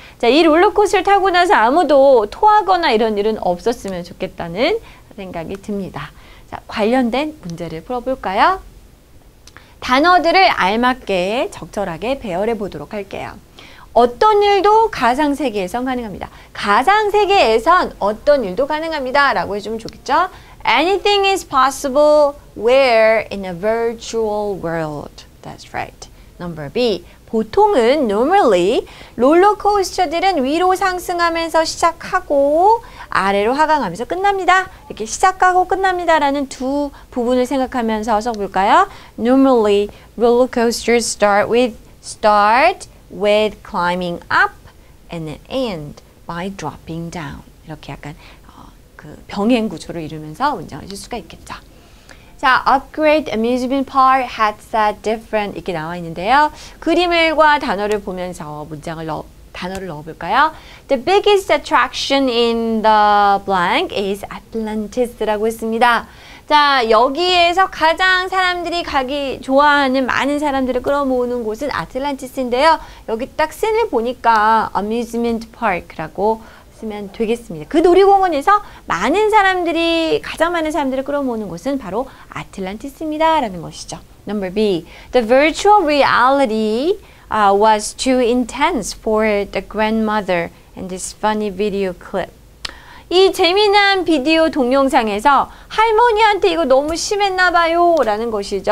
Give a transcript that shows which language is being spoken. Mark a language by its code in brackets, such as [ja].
[ko] 자, 이 롤러코스터를 타고 나서 아무도 토하거나 이런 일은 없었으면 좋겠다는 생각이 듭니다. 자, 관련된 문제를 풀어볼까요? 단어들을 알맞게 적절하게 배열해 보도록 할게요. 어떤 일도 가상세계에선 가능합니다. 가상세계에선 어떤 일도 가능합니다. 라고 해주면 좋겠죠? [en] Anything is possible where in a virtual world. That's right. Number B. [ko] 보통은 normally 롤러코스터들은 위로 상승하면서 시작하고 아래로 하강하면서 끝납니다. 이렇게 시작하고 끝납니다. 라는 두 부분을 생각하면서 써볼까요? [en] Normally rollercoasters start with climbing up and then end by dropping down. [ko] 이렇게 약간 그 병행 구조를 이루면서 문장을 쓸 수가 있겠죠. 자, upgrade amusement park headset different 이렇게 나와 있는데요. 그림과 단어를 보면서 문장을 단어를 넣어볼까요? [en] The biggest attraction in the blank is Atlantis [ko] 라고 했습니다. 자, 여기에서 가장 사람들이 가기 좋아하는 많은 사람들을 끌어모으는 곳은 아틀란티스인데요. 여기 딱 씬을 보니까 amusement park라고 쓰면 되겠습니다. 그 놀이공원에서 많은 사람들이 가장 많은 사람들을 끌어모으는 곳은 바로 아틀란티스입니다. 라는 것이죠. [en] Number B. The virtual reality was too intense for the grandmother in this funny video clip. [ko] 이 재미난 비디오 동영상에서 할머니한테 이거 너무 심했나 봐요 라는 것이죠.